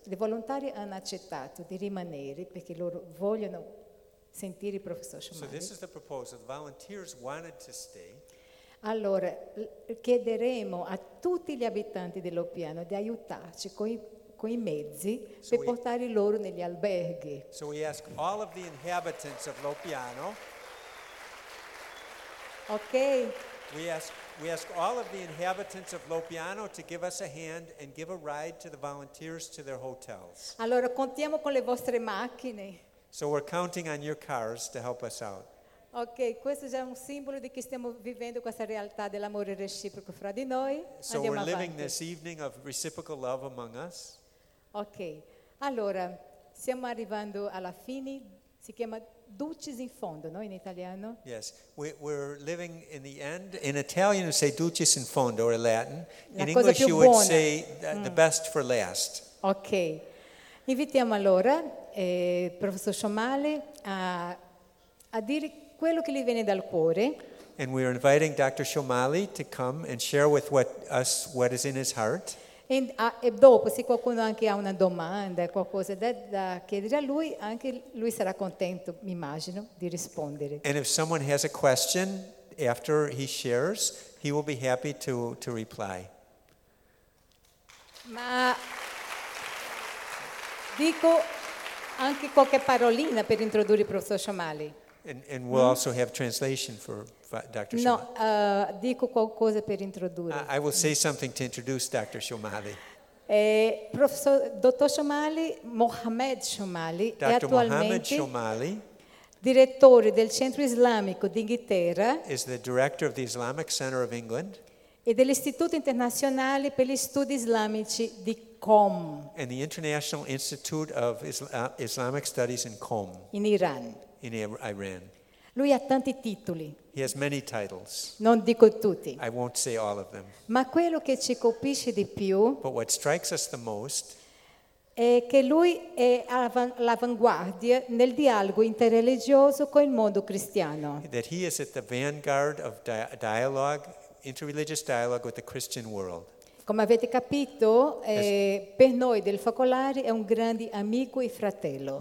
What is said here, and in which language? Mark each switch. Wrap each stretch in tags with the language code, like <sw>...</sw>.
<it>Le volontarie hanno accettato di rimanere perché loro vogliono sentire il professor Schumacher.</it> <en>So this is the proposal. The volunteers wanted to stay.</en> <it>Allora chiederemo a tutti gli abitanti dell'Oppiano di aiutarci con i mezzi per portare loro negli alberghi.</it> <en>So we ask all of the inhabitants of L'Oppiano. Okay. We ask all of the inhabitants of L'Oppiano to give us a hand and give a ride to the volunteers to their hotels.</en> <it>Allora contiamo con le vostre macchine.</it> <en>So we're counting on your cars to help us out.</en> <it>Okay, questo è già un simbolo di che stiamo vivendo questa realtà dell'amore reciproco fra di noi.</it> <en>So we're living this evening of reciprocal love among us.</en> <it>Okay, allora stiamo arrivando alla fine. Si chiama Dulcis in fondo, no, in italiano?</it> <en>Yes, we're living in the end. In Italian, you say</en> <it>Dulcis in fondo,</it> <en>or in Latin. In English, you would say the best for last. Okay.</en> <it>Invitiamo allora il professor Schumacher a dire quello che gli viene dal cuore.</it> <en>And we are inviting Dr. Schumacher to come and share with us what is in his heart.</en> <it>E dopo, se qualcuno anche ha una domanda, qualcosa da chiedere a lui, anche lui sarà contento, mi immagino, di rispondere.</it> <en>And if someone has a question after he shares, he will be happy to reply.</en> <it>Ma dico anche qualche parolina per introdurre il professor Schumacher.</it> <en>And we'll also have translation for Dr. Schumacher.</en> <it>No, dico qualcosa per introdurre.</it> <en>I will say something to introduce Dr. Schumacher.</en> <it>Professor Dottor Schumacher, Mohammed Schumacher,</it> <en>Dr.</en> <it>è attualmente</it> <en>Mohammed Schumacher,</en> <it>direttore del Centro Islamico d'Inghilterra.</it> <en>Is the director of the Islamic Center of England.</en> <it>E dell'Istituto Internazionale per gli Studi Islamici di Qom.</it> <en>And the International Institute of Islamic Studies in Qom.</en> <it>In Iran.</it> <en>In Iran.</en> <it>Lui ha tanti titoli.</it> <en>He has many titles.</en> <it>Non dico tutti.</it> <en>I won't say all of them.</en> <it>Ma quello che ci colpisce di più.</it> <en>But what strikes us the most.</en> <it>È che lui è all'avanguardia nel dialogo interreligioso con il mondo cristiano.</it> <en>That he is at the vanguard of dialogue, interreligious dialogue with the Christian world.</en> <it>Come avete capito, per noi del Focolari è un grande amico e fratello.</it>